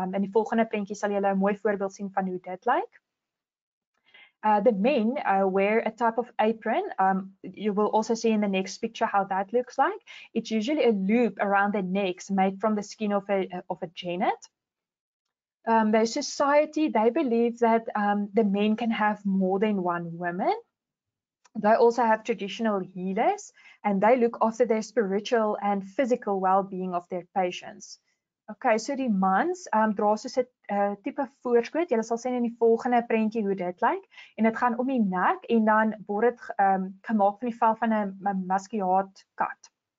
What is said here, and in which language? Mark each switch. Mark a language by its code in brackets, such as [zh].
[af] In die volgende prentjie sal jy 'n mooi voorbeeld sien van hoe dit lyk. [en] The men wear a type of apron. You will also see in the next picture how that looks like. It's usually a loop around their necks made from the skin of a genet. Their society, they believe that the men can have more than one woman. They also have traditional healers and they look after their spiritual and physical well-being of their patients. [af] Okay, so die mans dra soos 'n tipe voorskoot. Julle sal sien in die volgende prentjie hoe dit lyk. En dit gaan om die nek en dan word dit gemaak van die vel van 'n muskiaat kat.